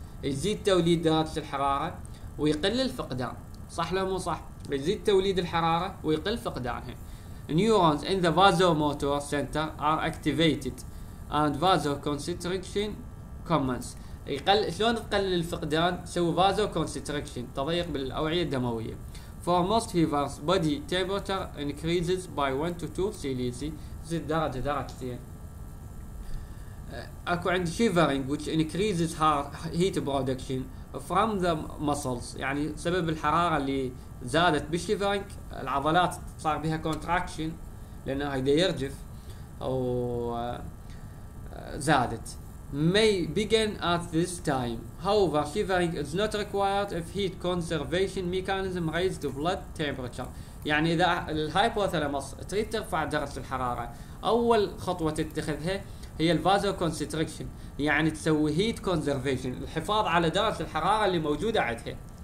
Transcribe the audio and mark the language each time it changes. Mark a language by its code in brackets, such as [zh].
[ar] يزيد توليد درجة الحرارة ويقل الفقدان، صح لو مو صح؟ يزيد توليد الحرارة ويقل فقدانها. [en] Neurons in the vasomotor center are activated and vasoconstriction commences. [ar] يقل شلون تقلل الفقدان؟ سوي vasoconstriction، تضيق بالأوعية الدموية. [en] For most fevers, body temperature increases by 1 to 2 degrees. [ar] زيد درجة درجتين. أكو عند [en] shivering which increases heat production from the muscles، [ar] يعني سبب الحرارة اللي زادت بالshivering العضلات صار بها contraction لأنها هيدا يرجف أو زادت. [en] May begin at this time. However, shivering is not required if heat conservation mechanism raises the blood temperature. [ar] يعني إذا الهايبوثالاموس تريد ترفع درجة الحرارة، أول خطوة تتخذها هي الفازوكونستريكشن، يعني تسوي heat conservation، الحفاظ على درجة الحرارة اللي موجودة عندها.